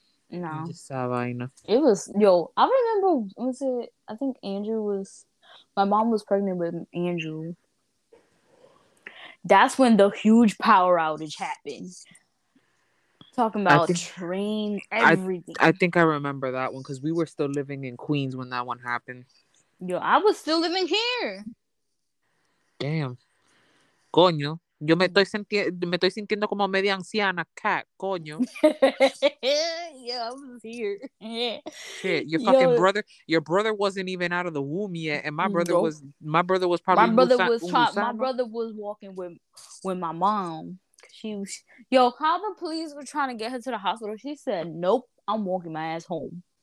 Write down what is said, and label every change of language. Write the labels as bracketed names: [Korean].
[English] It was, yo, I remember, I think Andrew was, my mom was pregnant with Andrew. That's when the huge power outage happened. Talking about train, everything. I think I remember that one because we were still living in Queens when that one happened. Yo, I was still living here. Damn. [Spanish] Coño, yo me estoy sintiendo como media anciana, cat, coño. [English] Yeah, I was here. Shit, your brother wasn't even out of the womb yet, and my brother was walking with my mom. How the police were trying to get her to the hospital, she said, nope, I'm walking my ass home.